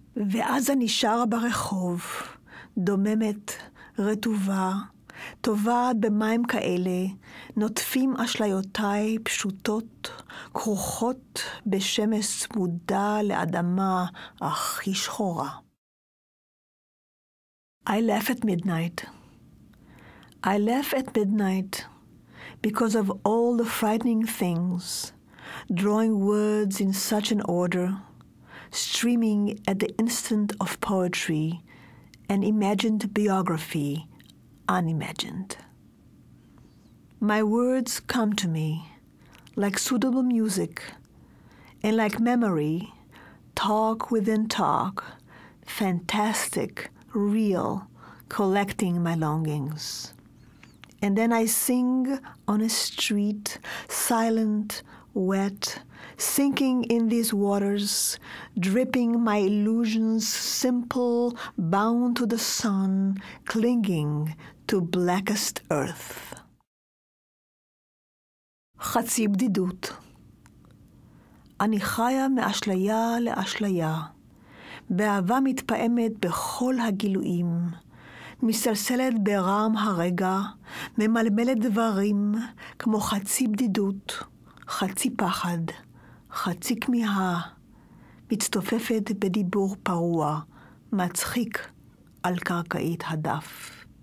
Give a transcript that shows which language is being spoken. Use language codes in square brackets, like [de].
[he] ואז אני שרה ברחוב, דוממת, רטובה, טובעת במים כאלה, נוטפים אשליותיי פשוטות, כרוכות בשמש צמודה לאדמה הכי שחורה. [en] I laugh at midnight. I laugh at midnight because of all the frightening things, drawing words in such an order, streaming at the instant of poetry, an imagined biography, unimagined. My words come to me like suitable music and like memory, talk within talk, fantastic, real, collecting my longings. And then I sing on a street, silent, wet, sinking in these waters, dripping my illusions, simple, bound to the sun, clinging to blackest earth. [he] חצי בדידות. אני חיה מאשליה לאשליה, באהבה מתפעמת בכל הגילויים, מסלסלת ברעם הרגע, ממלמלת דברים, כמו חצי בדידות, חצי פחד, חצי כמיהה, מצטופפת בדיבור פרוע, מצחיק על קרקעית הדף.